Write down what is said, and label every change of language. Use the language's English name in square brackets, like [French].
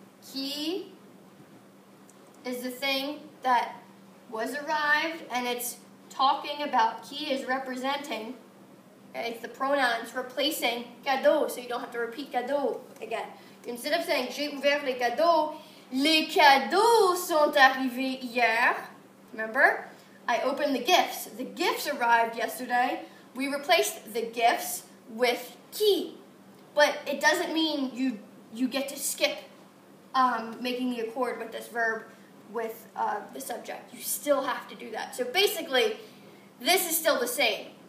[English] Qui is the thing that was arrived, and it's talking about, qui is representing, okay, it's the pronouns replacing cadeau, so you don't have to repeat cadeau again. [French] Instead of saying, j'ai ouvert les cadeaux sont arrivés hier. [English] Remember, I opened the gifts. The gifts arrived yesterday. We replaced the gifts with qui, but it doesn't mean you get to skip making the accord with this verb with the subject. You still have to do that. So basically, this is still the same.